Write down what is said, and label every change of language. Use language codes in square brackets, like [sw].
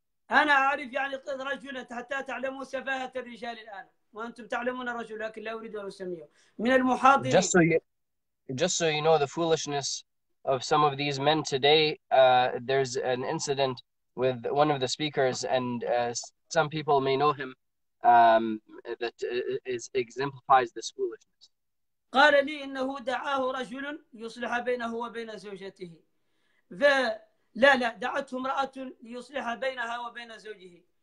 [ar] أنا أعرف يعني رجلا حتى تعلموا سفاهة الرجال الآن وأنتم تعلمون الرجل لكن لا أريد أن أسميه من المحاضرين [en] Just so you know the foolishness of some of these men today, there's an incident with one of the speakers and some people may know him that is exemplifies this foolishness. [ar] قال لي إنه دعاه رجل يصلح بينه وبين زوجته ف لا لا دعته امرأة ليصلح بينها وبين زوجها